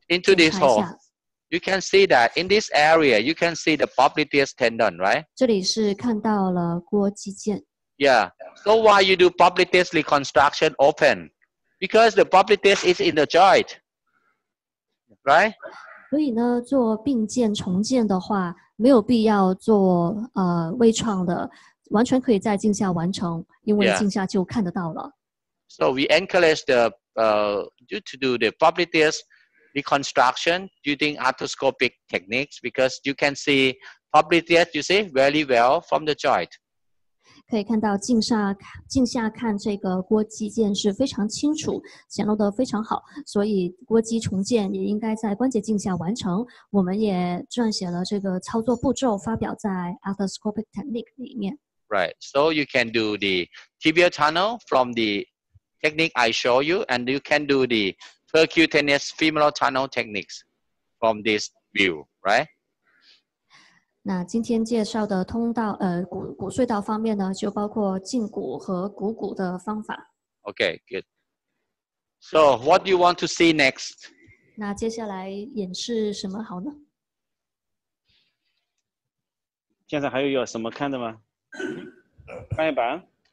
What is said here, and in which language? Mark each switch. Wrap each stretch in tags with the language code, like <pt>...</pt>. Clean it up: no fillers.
<en>into this hole. You can see that in this area, you can see the popliteus tendon, right?</en> <zh>这里是看到了腘肌腱。</zh> <en>Yeah, so why you do popliteus reconstruction open? Because the popliteus is in the joint, right?</en> <zh>所以呢，做髌腱重建的话，没有必要做微创的，完全可以在镜下完成，因为镜下就看得到了。</zh> <en>So we encourage the to do the popliteus reconstruction using arthroscopic techniques because you can see popliteus, you see, very well from the joint.</en> <zh>可以看到镜下看这个腘肌腱是非常清楚，显露得非常好，所以腘肌重建也应该在关节镜下完成。我们也撰写了这个操作步骤，发表在 Arthroscopic Technique 里面。</zh> <en>Right, so you can do the tibial tunnel from the technique I show you, and you can do the percutaneous femoral tunnel techniques from this view, right?</en> <zh>那今天介绍的通道，股隧道方面呢，就包括胫骨和股的方法。</zh> <en>Okay, good. So, what do you want to see next?</en> <zh>那接下来演示什么好呢？现在还有什么看的吗？翻页板？</zh>